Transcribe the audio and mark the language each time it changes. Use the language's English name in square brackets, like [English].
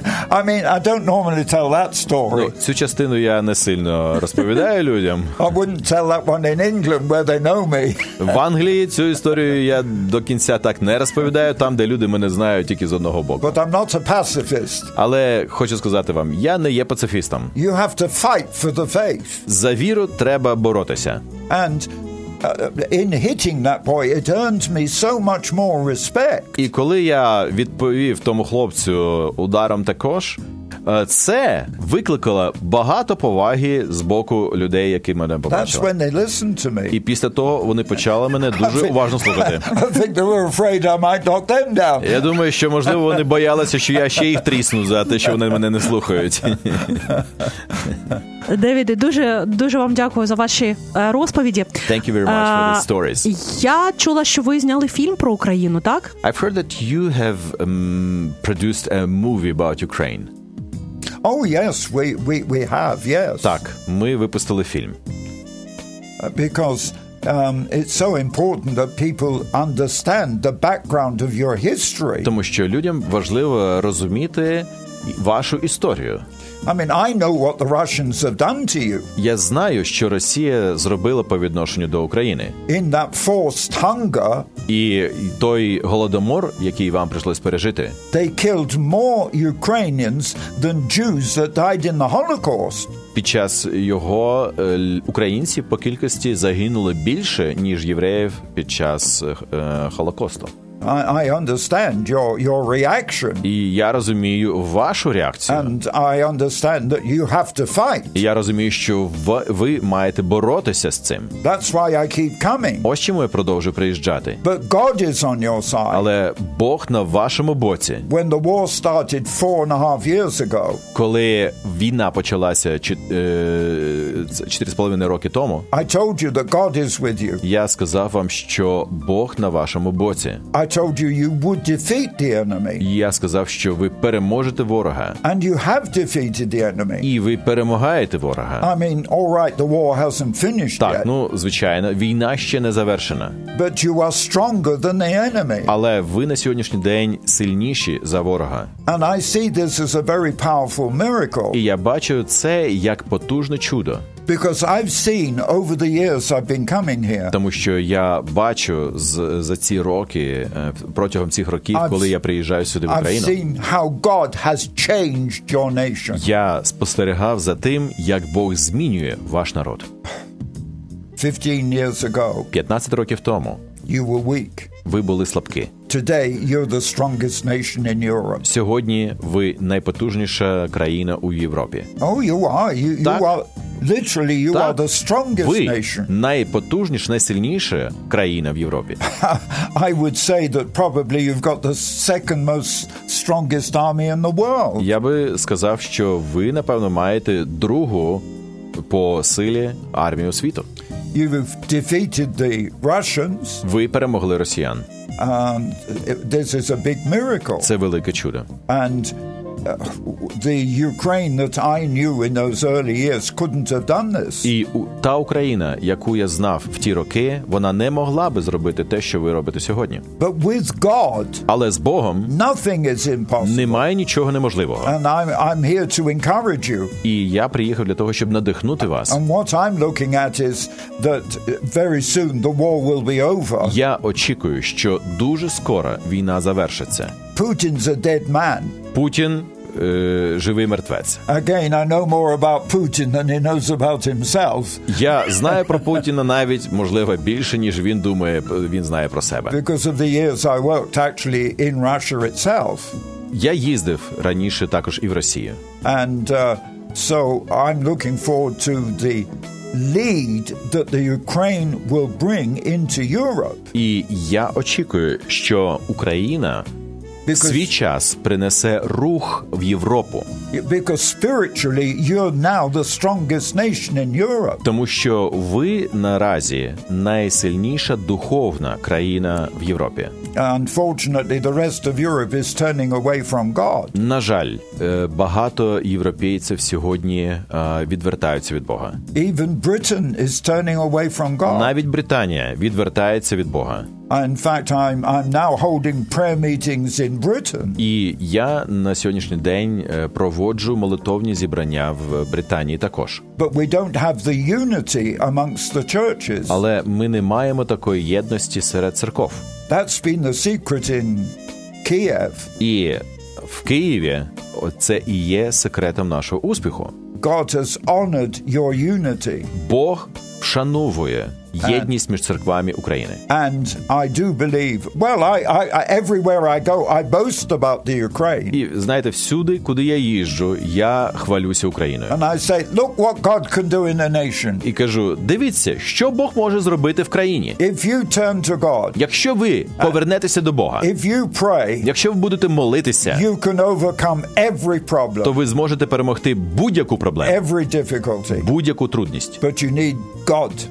[English] I mean, I don't normally tell that story. [Ukrainian] Ну, цю частину я не сильно розповідаю людям. [English] I wouldn't tell that one in England where they know me. [Ukrainian] В Англії цю історію я до кінця так не розповідаю, там, де люди мене знають тільки з одного боку. [English] But I'm not a pacifist. [Ukrainian] Але хочу сказати вам, я не є пацифістом. [English] You have to fight for the faith. [Ukrainian] За віру треба боротися. [English] And in hitting that boy, it earned me so much more respect. [Ukrainian] І коли я відповів тому хлопцю ударом також, це викликало багато поваги з боку людей, які мене побачили. [English] That's when they listened to me. [Ukrainian] І після того вони почали мене дуже уважно слухати. [English] I think they were afraid I might knock them down. [Ukrainian] Я думаю, що, можливо, вони боялися, що я ще їх трісну за те, що вони мене не слухають. Девід, дуже, дуже вам дякую за ваші розповіді. [English] Thank you very much for the stories. [Ukrainian] Я чула, що ви зняли фільм про Україну, так? [English] I've heard that you have produced a movie about Ukraine. Oh, yes, we have, yes. [Ukrainian] Так, ми випустили фільм. [English] Because it's so important that people understand the background of your history. [Ukrainian] Тому що людям важливо розуміти вашу історію. [English] I mean, I know what the Russians have done to you. [Ukrainian] Я знаю, що Росія зробила по відношенню до України. [English] In that forced hunger. [Ukrainian] І той голодомор, який вам прийшлось пережити. [English] They killed more Ukrainians than Jews that died in the Holocaust. [Ukrainian] Під час його українці по кількості загинули більше, ніж євреїв під час Холокосту. [English] I understand your reaction. [Ukrainian] І я розумію вашу реакцію. [English] And I understand that you have to fight. [Ukrainian] І я розумію, що ви маєте боротися з цим. [English] That's why I keep coming. [Ukrainian] Ось чому я продовжую приїжджати. [English] But God is on your side. [Ukrainian] Але Бог на вашому боці. [English] When the war started 4.5 years ago. [Ukrainian] Коли війна почалася 4.5 роки тому. [English] I told you that God is with you. [Ukrainian] Я сказав вам, що Бог на вашому боці. [English] I told you you would defeat the enemy. [Ukrainian] Я сказав, що ви переможете ворога. [English] And you have defeated the enemy. [Ukrainian] І ви перемагаєте ворога. [English] I mean, all right, the war hasn't finished [Ukrainian] так, [English] yet. [Ukrainian] Так, ну, звичайно, війна ще не завершена. [English] But you are stronger than the enemy. [Ukrainian] Але ви на сьогоднішній день сильніші за ворога. [English] And I see this as a very powerful miracle. [Ukrainian] І я бачу це як потужне чудо. [English] Because I've seen over the years I've been coming here. [Ukrainian] Тому що я бачу за ці роки, протягом цих років, коли я приїжджаю сюди в Україну. [English] I've seen how God has changed your nation. [Ukrainian] Я спостерігав за тим, як Бог змінює ваш народ. [English] 15 years ago. [Ukrainian] 15 років тому. [English] You were weak. [Ukrainian] Ви були слабкі. [English] Today you're the strongest nation in Europe. [Ukrainian] Сьогодні ви найпотужніша країна у Європі. [English] Oh, you are. You are. Literally, you [Ukrainian] так, [English] are the strongest [Ukrainian] ви [English] nation. [Ukrainian] Найпотужніша, найсильніша країна в Європі. [English] I would say that probably you've got the second most strongest army in the world. [Ukrainian] Я би сказав, що ви, напевно, маєте другу по силі армію світу. [English] You've defeated the Russians. [Ukrainian] Ви перемогли росіян. [English] This is a big miracle. [Ukrainian] Це велике чудо. [English] And the Ukraine that I knew in those early years couldn't have done this. [Ukrainian] І та Україна, яку я знав в ті роки, вона не могла би зробити те, що ви робите сьогодні. [English] But with God, [Ukrainian] але з Богом, [English] nothing is impossible. [Ukrainian] Немає нічого неможливого. [English] And I'm here to encourage you. [Ukrainian] І я приїхав для того, щоб надихнути вас. [English] And what I'm looking at is that very soon the war will be over. [Ukrainian] Я очікую, що дуже скоро війна завершиться. [English] Putin's a dead man. [Ukrainian] Путін живий мертвець. [English] Again, I know more about Putin than he knows about himself. [Ukrainian] Я знаю про Путіна навіть, можливо, більше, ніж він думає, він знає про себе. [English] Because of the years I worked actually in Russia itself. [Ukrainian] Я їздив раніше також і в Росію. [English] And so I'm looking forward to the lead that the Ukraine will bring into Europe. [Ukrainian] І я очікую, що Україна свій час принесе рух в Європу. [English] Because spiritually you're now the strongest nation in Europe. [Ukrainian] Тому що ви наразі найсильніша духовна країна в Європі. [English] Unfortunately, the rest of Europe is turning away from God. [Ukrainian] На жаль, багато європейців сьогодні відвертаються від Бога. [English] Even Britain is turning away from God. [Ukrainian] Навіть Британія відвертається від Бога. [English] In fact, I'm now holding prayer meetings in Britain. [Ukrainian] І я на сьогоднішній день проводжу молитовні зібрання в Британії також. [English] But we don't have the unity amongst the churches. [Ukrainian] Але ми не маємо такої єдності серед церков. [English] That's been the secret in Kiev. [Ukrainian] І в Києві це і є секретом нашого успіху. [English] God has honored your unity. [Ukrainian] Бог вшановує єдність між церквами України. [English] And I do believe. Well, I everywhere I go, I boast about the Ukraine. [Ukrainian] І знаєте, всюди, куди я їжджу, я хвалюся Україною. [English] And I say, look what God can do in a nation. [Ukrainian] І кажу: "Дивіться, що Бог може зробити в країні". [English] If you turn to God. [Ukrainian] Якщо ви повернетеся до Бога. [English] If you pray. [Ukrainian] Якщо ви будете молитися. [English] You can overcome every problem. [Ukrainian] То ви зможете перемогти будь-яку проблему. [English] Every difficulty. [Ukrainian] Будь-яку трудність. [English] But you need God.